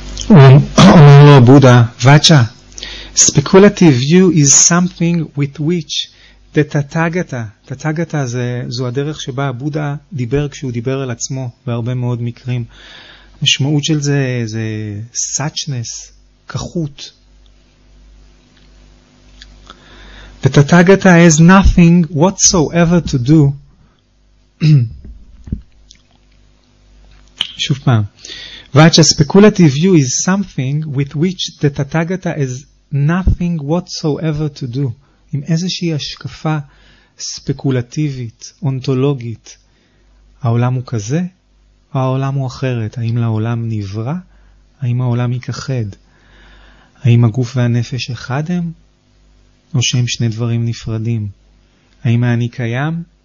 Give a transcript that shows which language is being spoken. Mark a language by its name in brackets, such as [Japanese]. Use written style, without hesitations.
[Hebrew] אומר לו הבודה, וצ'ה, [English] speculative view is something with which the Tathagata, [Hebrew] Tathagata זה, זו הדרך שבה הבודה דיבר כשהוא דיבר על עצמו בהרבה מאוד מקרים. המשמעות של זה זה suchness, כחות. [English] The Tathagata has nothing whatsoever to do [Hebrew] שוב פעם. [English] What a speculative view is something with which the Tathagata has nothing whatsoever to do. [Hebrew] עם איזושהי השקפה ספקולטיבית, אונטולוגית, העולם הוא כזה או העולם הוא אחרת? האם לעולם נברא? האם העולם יכחד? האם הגוף והנפש אחד הם? או שהם שני דברים נפרדים? האם אני קיים?